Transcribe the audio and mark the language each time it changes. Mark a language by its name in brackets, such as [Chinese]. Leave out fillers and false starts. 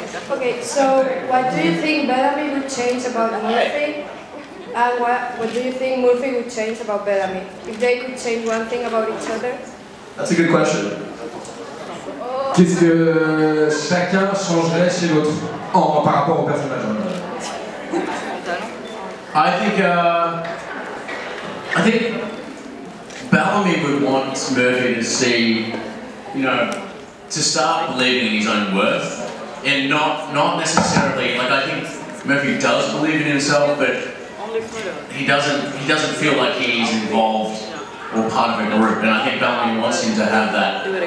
[English] Okay, so what do you think Bellamy would change about Murphy? And what do you think Murphy would change about Bellamy? If they could change one thing about each other? That's a good question. [French] Qu'est-ce que chacun changerait chez l'autre par rapport au personnage? [English] I think Bellamy would want Murphy to see, you know, to start believing in his own worth and not necessarily, like, I think Murphy does believe in himself, but he doesn't feel like he's involved or part of a group, and I think Bellamy wants him to have that